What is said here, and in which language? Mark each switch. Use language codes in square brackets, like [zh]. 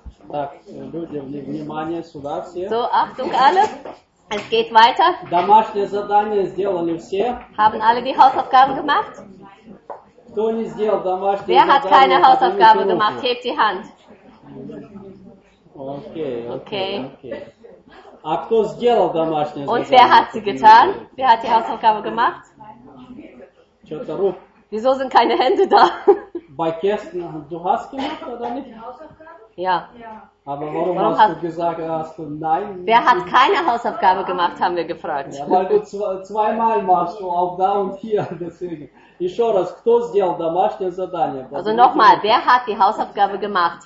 [ru] Так, люди, внимание, сюда все. [de] So, Achtung alle. Es geht weiter. [ru] Домашнее задание сделали все. [de] Haben alle die Hausaufgaben gemacht? [ru] Кто не сделал домашнее задание? [de] Wer hat keine Hausaufgabe gemacht? Hebt die Hand. Okay. [ru] А кто сделал домашнее задание? [de] Und wer hat sie getan? Wer hat die Hausaufgabe gemacht? [ru] Что-то рук. [de] Wieso sind keine Hände da? Bei Kerstin, du hast gemacht oder nicht? Ja. Aber warum hast du gesagt, hast du nein? Wer hat keine Hausaufgabe gemacht, haben wir gefragt. Ja, weil du zweimal machst, auch da und hier. Deswegen. [ru] Еще раз, кто сделал домашнее задание? [de] Also nochmal, wer hat die Hausaufgabe gemacht?